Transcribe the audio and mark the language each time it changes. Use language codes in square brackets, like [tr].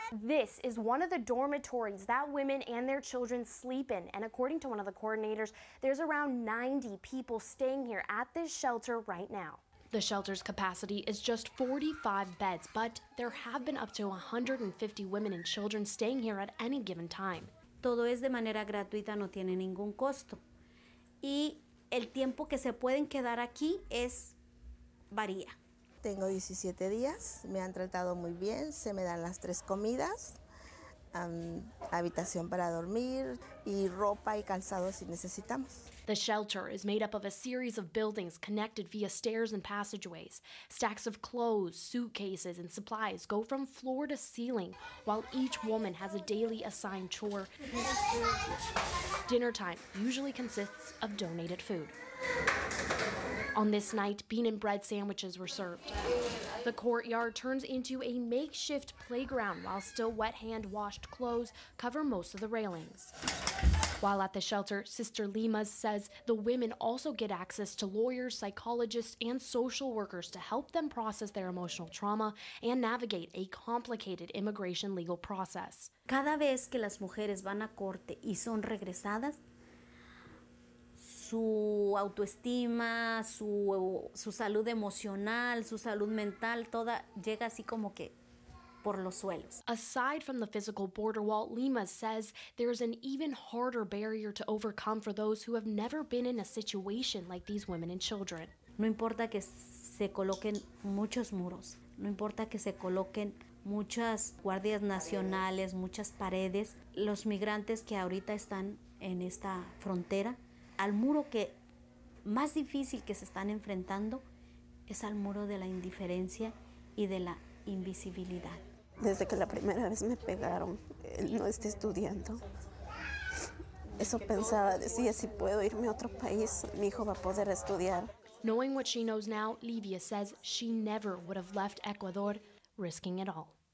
[en] This is one of the dormitories that women and their children sleep in. And according to one of the coordinators, there's around 90 people staying here at this shelter right now. The shelter's capacity is just 45 beds, but there have been up to 150 women and children staying here at any given time. [es] Todo es de manera gratuita, no tiene ningún costo. Y el tiempo que se pueden quedar aquí es varía. Tengo 17 días, me han tratado muy bien, se me dan las tres comidas, habitación para dormir y ropa y calzado si necesitamos. [en] The shelter is made up of a series of buildings connected via stairs and passageways. Stacks of clothes, suitcases, and supplies go from floor to ceiling, while each woman has a daily assigned chore. Dinner time usually consists of donated food. On this night, bean and bread sandwiches were served. The courtyard turns into a makeshift playground while still wet hand-washed clothes cover most of the railings. While at the shelter, Sister Limas says the women also get access to lawyers, psychologists, and social workers to help them process their emotional trauma and navigate a complicated immigration legal process. [es] Cada vez que las mujeres van a corte y son regresadas, su autoestima, su salud emocional, su salud mental, toda llega así como que por los suelos. [en] Aside from the physical border wall, Lima says there is an even harder barrier to overcome for those who have never been in a situation like these women and children. [es] No importa que se coloquen muchos muros, no importa que se coloquen muchas guardias nacionales, paredes. Muchas paredes, los migrantes que ahorita están en esta frontera, al muro que más difícil que se están enfrentando es al muro de la indiferencia y de la invisibilidad. Desde que la primera vez me pegaron, no esté estudiando. Eso pensaba, decía, si puedo irme a otro país, mi hijo va a poder estudiar. [en] Knowing what she knows now, Livia says she never would have left Ecuador risking it all.